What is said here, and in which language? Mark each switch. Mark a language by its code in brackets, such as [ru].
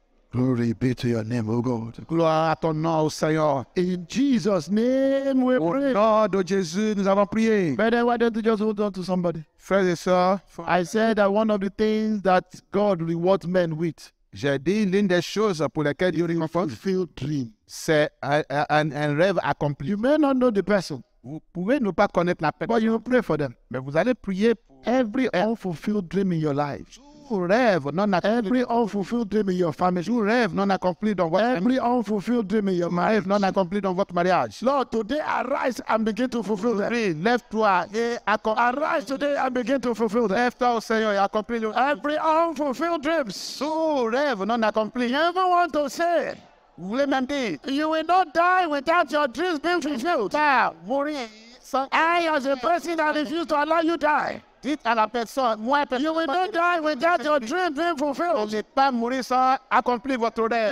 [en] Glory be to your name, O God. [fr] Gloire à ton nom, O Seigneur. [en] In Jesus' name we [fr] au [en] pray. [fr] Au nom de Jésus, nous avons prié. [en] But then why don't you just hold on to somebody? [fr] Frères et sœurs, [en] I said that one of the things that God rewards men with. [fr] J'ai dit l'une des choses pour lesquelles Dieu récompense. [en] Fulfilled dream. [fr] C'est un rêve accompli. [en] You may not know the person. [fr] Vous pouvez ne pas connaître la personne. [en] But you will pray for them. [fr] Mais vous allez prier pour [en] every unfulfilled dream in your life. [fr] Rêve non [en] every unfulfilled dream in your family. [fr] Tout rêve non accompli dans votre [en] every unfulfilled dream in your marriage. [fr] Non accompli dans votre mariage. [en] Lord, today arise and begin to fulfill them. [fr] Lève-toi et accomplis. [en] Arise today and begin to fulfill them. [fr] Lève-toi, Seigneur, et accomplis. [en] Every unfulfilled dreams. [fr] Tout rêve non accompli. [en] You ever want to say? [fr] Vous voulez même dire? [en] You will not die without your dreams being fulfilled. [fr] Pas mourir sans. [en] I, as a person, I refuse to allow you die. [fr] Dites à la personne, moi, [en] you will not die without your dream being fulfilled. [fr] Vous n'êtes pas mourir sans accomplir votre rêve.